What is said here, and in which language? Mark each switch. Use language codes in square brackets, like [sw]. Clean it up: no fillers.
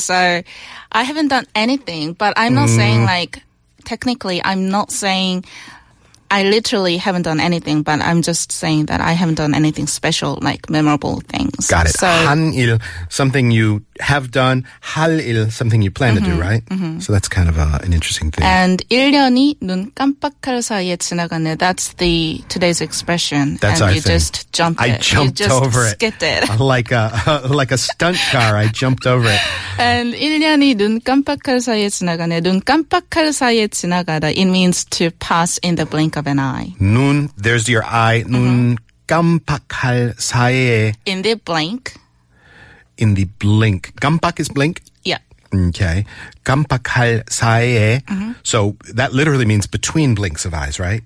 [en] So I haven't done anything, but I'm not saying like, technically, I'm not saying I literally haven't done anything, but I'm just saying that I haven't done anything special, like memorable things. Got it. So, [ko] 한 일, [en] something you have done. [ko] 할 일, [en] something you plan mm-hmm, to do, right? Mm-hmm. So that's kind of an interesting thing. [ko] And 1년이 눈 깜빡할 사이에 지나갔네. [en] That's today's expression. That's and our you thing. Just jumped it. I jumped you just over it. Skipped it. Like a stunt car, I jumped over it. [ko] And 1년이 눈 깜빡할 사이에 지나가네. 눈 깜빡할 사이에 지나가다. [en] It means to pass in the blink of an eye. [ko] 눈, [en] there's your eye. [ko] 눈 깜빡할 사이에. [en] In the blink. In the blink. 깜빡 is blink? Yeah. [ko] Okay. 깜빡할 사이에. [en] Mm-hmm. So that literally means between blinks of eyes, right?